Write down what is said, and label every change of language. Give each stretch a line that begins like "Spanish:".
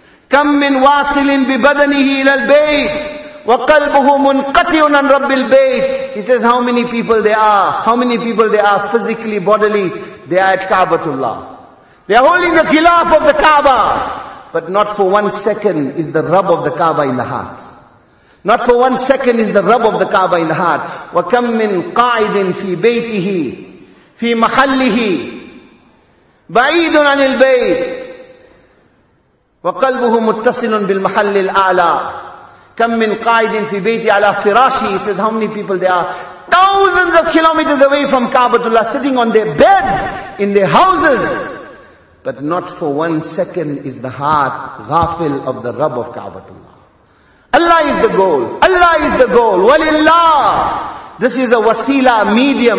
Arabic: كم من واصل ببدنه إلى البيت وقلبه منقطع عن رب البيت.
English: He says, how many people there are? How many people there are physically, bodily? They are at Kaabatullah. They are holding the khilaf of the Kaaba. But not for one second is the rub of the Kaaba in the heart. Not for one second is the rub of the Kaaba in the heart.
Arabic: وكم من قاعد في بيته في محله بعيد عن البيت وقلبه متصل بالمحل الأعلى كم من قاعد في بيتي على فراشي.
English: He says, how many people there are thousands of kilometers away from Kaabatullah, sitting on their beds in their houses, but not for one second is the heart ghafil of the rub of Kaabatullah. Allah is the goal. Walillah, this is a wasila, medium.